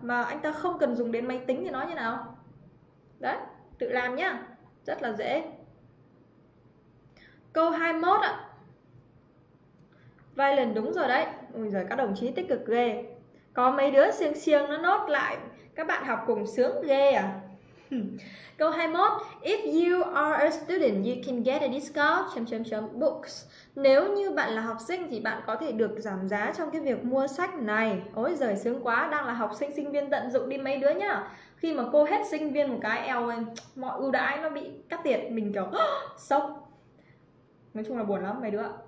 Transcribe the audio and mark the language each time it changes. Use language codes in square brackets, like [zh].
[vi] Mà anh ta không cần dùng đến máy tính thì nói như nào. Đấy, tự làm nhá, rất là dễ. Câu 21 ạ. Violent đúng rồi đấy. Ôi giời, các đồng chí tích cực ghê. Có mấy đứa siêng siêng nó nốt lại. Các bạn học cùng sướng ghê à. Câu 21, [en] if you are a student, you can get a discount ...books. [vi] Nếu như bạn là học sinh thì bạn có thể được giảm giá trong cái việc mua sách này. Ôi giời, sướng quá, đang là học sinh sinh viên tận dụng đi mấy đứa nhá. Khi mà cô hết sinh viên một cái eo lên, mọi ưu đãi nó bị cắt tiệt, mình kiểu sốc. Nói chung là buồn lắm mấy đứa.